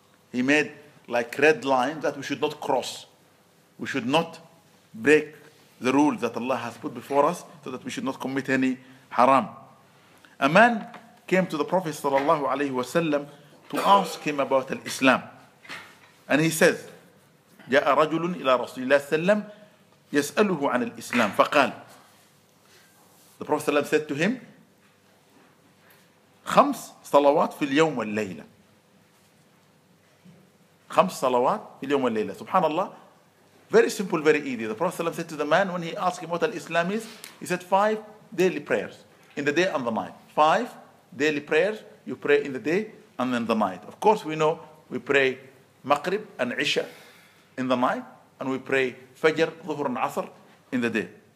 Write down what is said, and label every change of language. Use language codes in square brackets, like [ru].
[en] He made like red lines that we should not cross. We should not break the rules that Allah has put before us so that we should not commit any haram. A man came to the Prophet sallallahu alayhi wa sallam to ask him about al-Islam. And he says, [ar] جاء رجل إلى رسول الله صلى الله عليه وسلم يسأله عن الإسلام فقال. [en] The Prophet ﷺ said to him, [ar] خمس صلوات في اليوم والليلة. خمس صلوات في اليوم والليلة. [en] سبحان الله. Very simple, very easy. The Prophet ﷺ said to the man when he asked him what Islam is, he said five daily prayers in the day and the night. Five daily prayers you pray in the day and then the night. Of course we know we pray Maghrib and Isha in the night and we pray Fajr, Dhuhr and Asr in the day.